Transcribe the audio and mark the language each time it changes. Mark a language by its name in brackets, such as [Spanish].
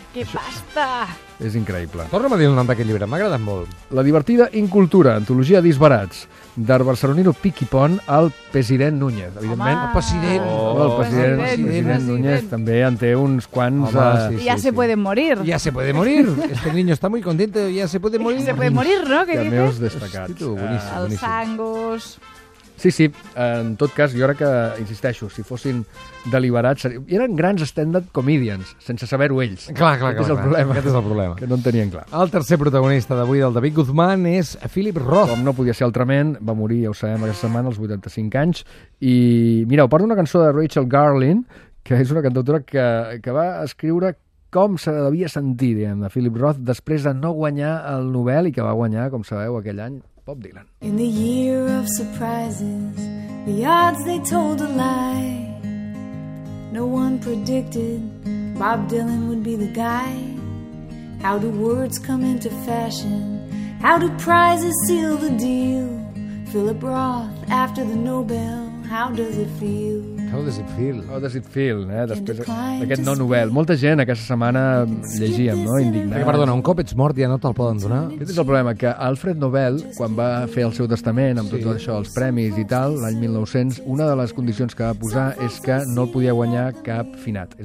[Catalan] Que pasta! És increïble. Torna'm a dir el nom d'aquest llibre, m'ha agradat molt. La divertida incultura, antologia disbarats, del barceloniro Piquipon al president Núñez. Evidentment, el president Núñez també en té uns quants... [Spanish] Ya se puede morir. Este niño está muy contento, ya se puede morir. Se puede morir, ¿no? ¿Qué dices? [Catalan] Cameos destacats. Hosti, tu, boníssim, boníssim. Els sangos... Sí, en tot cas, jo crec que, insisteixo, si fossin deliberats, eren grans stand-up comedians, sense saber-ho ells. Aquest és el problema. Que no en tenien clar. El tercer protagonista d'avui, del David Guzmán, és Philip Roth. Com no podia ser altrament, va morir, ja ho sabem, aquesta setmana, als 85 anys. I, mireu, parlo d'una cançó de Rachel Garlin, que és una cantautora que va escriure com se devia sentir, diguem, de Philip Roth, després de no guanyar el Nobel, i que va guanyar, com sabeu, aquell any, Bob Dylan. [English] In the year of surprises, the odds they told a lie. No one predicted Bob Dylan would be the guy. How do words come into fashion? How do prizes seal the deal? Philip Roth, after the Nobel, how does it feel? How does it feel, [Catalan] després d'aquest no Nobel. Molta gent aquesta setmana llegíem, no?, indignats. Perdona, un cop ets mort ja no te'l poden donar? Aquest és el problema, que Alfred Nobel, quan va fer el seu testament amb tot això, els premis i tal, l'any 1900, una de les condicions que va posar és que no el podia guanyar cap finat.